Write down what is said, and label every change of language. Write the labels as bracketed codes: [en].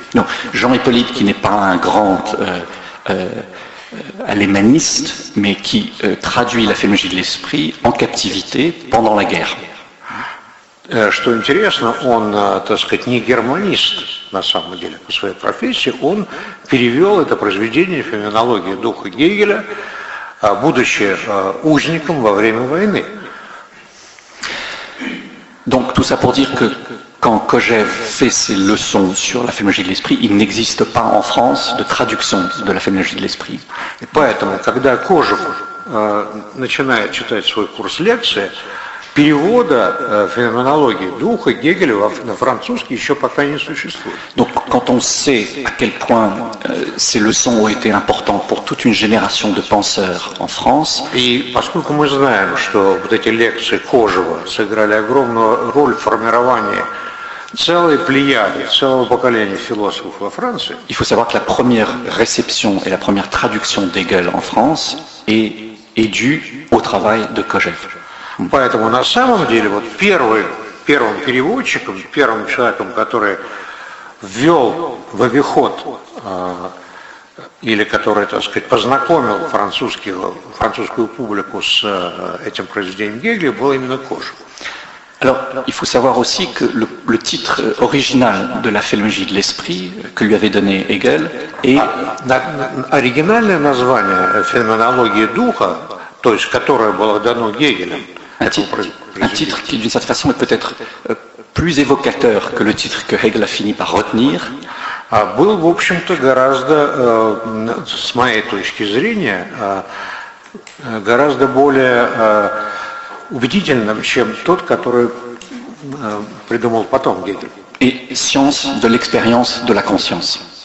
[fr] Non, Jean Hippolyte, qui n'est pas un grand allemandiste, mais qui traduit la phénoménologie de l'esprit en captivité pendant la guerre. [ru] Что интересно, он, так сказать, не германист, на самом деле, по своей профессии, он перевел это произведение «Феноменология духа Гегеля», будучи узником во время войны. [fr] Donc, tout ça pour dire que quand Kojève fait ses leçons sur la phénoménologie de l'esprit, il n'existe pas en France de traduction de la phénoménologie de l'esprit. [ru] Et поэтому, когда Кожев начинает читать свой курс лекции, перевода феноменологии духа Гегеля на французский еще пока не существует. [fr] Donc, quand on sait à quel point ces leçons ont été importantes pour toute une génération de penseurs en France... [ru] И поскольку мы знаем, что вот эти лекции Кожева сыграли огромную роль в формировании целой плеяды, целого поколения философов во Франции... [fr] Il faut savoir que la première réception et la première traduction d'Hegel en France est due au travail de Kojève. [ru] Поэтому на самом деле вот первым переводчиком, первым человеком, который ввел в обиход или который, так сказать, познакомил французскую публику с этим произведением Гегеля, был именно Кожев. [fr] Alors, il faut savoir aussi que le titre original de la phénoménologie de l'esprit que lui avait donné Hegel est [ru] оригинальное название феноменологии духа, то есть которое было дано Гегелем. [fr] Un titre qui, d'une certaine façon, est peut-être plus évocateur que le titre que Hegel a fini par retenir. [ru] Был, в общем-то, гораздо, с моей точки зрения, гораздо более убедительным, чем тот, который придумал потом Гегель. [fr] Et science de l'expérience de la conscience.